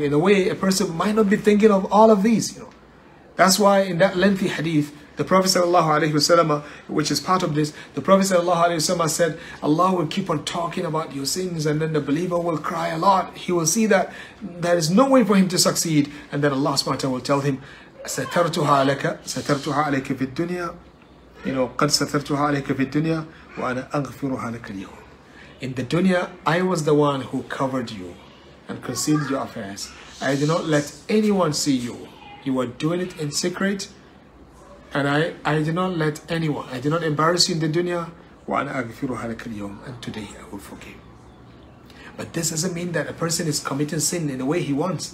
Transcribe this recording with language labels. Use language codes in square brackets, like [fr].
[en] In a way, a person might not be thinking of all of these, you know. That's why in that lengthy hadith, the Prophet sallallahu alaihi wasallam, which is part of this, the Prophet sallallahu alaihi wasallam said, Allah will keep on talking about your sins, and then the believer will cry a lot. He will see that there is no way for him to succeed, and then Allah subhanahu wa ta'ala will tell him, satartuha alayka fi dunya. [ar] You know, قَدْ سَتَرْتُهَا عَلَيْكَ فِي الدُّنْيَا وَأَنَا أَغْفِرُهَا لَكَ الْيَوْمِ. [en] In the dunya, I was the one who covered you and concealed your affairs. I did not let anyone see you. You were doing it in secret. And I did not let anyone, I did not embarrass you in the dunya. [ar] وَأَنَا أَغْفِرُهَا لَكَ الْيَوْمِ. [en] And today I will forgive. But this doesn't mean that a person is committing sin in the way he wants.